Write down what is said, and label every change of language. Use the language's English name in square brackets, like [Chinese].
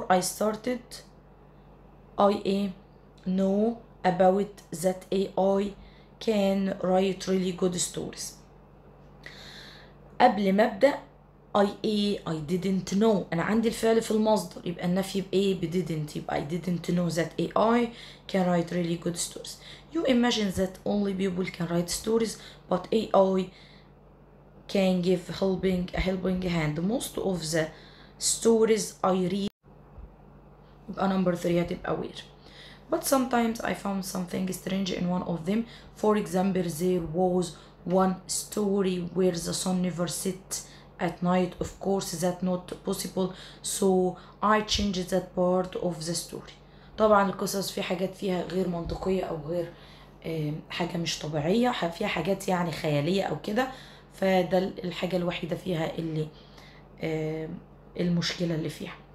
[English] Before I started, I know about that AI can write really good stories. [Arabic] قبل ما ابدأ [English] I didn't know. [Arabic] انا عندي الفعل في المصدر، يبقى النفي بايه؟ بdidn't. يبقى [English] I didn't know that AI can write really good stories. You imagine that only people can write stories, but AI can give helping hand. Most of the stories I read. [Arabic] يبقى [English] number three [Arabic] هتبقى [English] where. But sometimes I found something strange in one of them. For example, there was one story where the sun never set at night. Of course, that's not possible. So I changed that part of the story. [Arabic] طبعا القصص في حاجات فيها غير منطقية أو غير حاجة مش طبيعية، فيها حاجات يعني خيالية أو كده، فده الحاجة الوحيدة فيها اللي المشكلة اللي فيها.